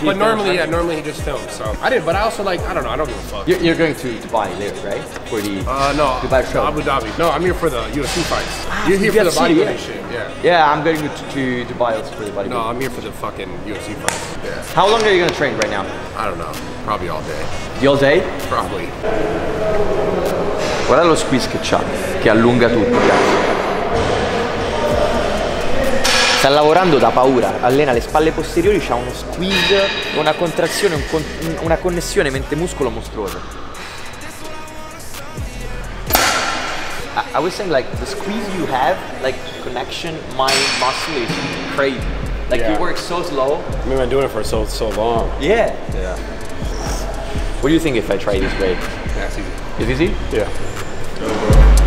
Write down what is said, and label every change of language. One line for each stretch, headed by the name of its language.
English: But normally, yeah, normally he just films, so. I did, but I also like, I don't know, I don't give a fuck. You're going to Dubai later, right? For the Dubai show. Abu Dabi. No, I'm here for the UFC fights. You're here for the bodybuilding shit, yeah. Yeah, I'm going to Dubai also for the bodybuilding. No, I'm here for the fucking UFC fights, yeah. How long are you gonna train right now? I don't know, probably all day. The whole day? Probably.
Italian: Guarda lo squeeze che c'ha, che allunga tutto, ragazzi. Sta lavorando da paura, allena le spalle posteriori, c'ha uno squeeze, una contrazione, una connessione mente-muscolo mostruosa.
English: I was saying like, the squeeze you have, like connection, mind, muscle is crazy. Like yeah. You work so slow. I mean, I've been doing it for so long. Yeah. Yeah. What do you think if I try this way? Yeah, it's easy. Is easy? Yeah.